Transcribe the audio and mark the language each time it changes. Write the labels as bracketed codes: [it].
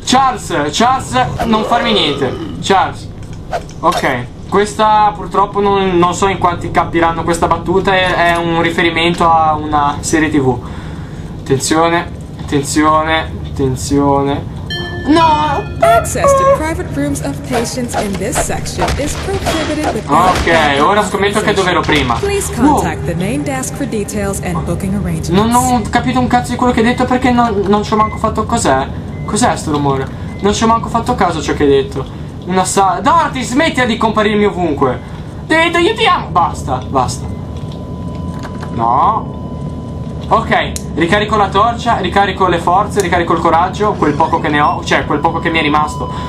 [it] Charles, Charles, non farmi niente. Charles. Ok. Questa purtroppo non so in quanti capiranno questa battuta. È un riferimento a una serie TV. Attenzione, attenzione, attenzione. No! [en] Access to private rooms of patients in this section is prohibited. [it] Ok, ora scommetto che dov'ero prima. [en] Please contact the main desk for details and booking arrangements. [it] Non ho capito un cazzo di quello che hai detto, perché non ci ho manco fatto. Cos'è sto rumore? Non ci ho manco fatto caso a ciò che hai detto. Una sala. Darty, smettila di comparirmi ovunque. Dedo, io ti amo. Basta, basta. No. Ok, ricarico la torcia, ricarico le forze, ricarico il coraggio, quel poco che ne ho, cioè quel poco che mi è rimasto.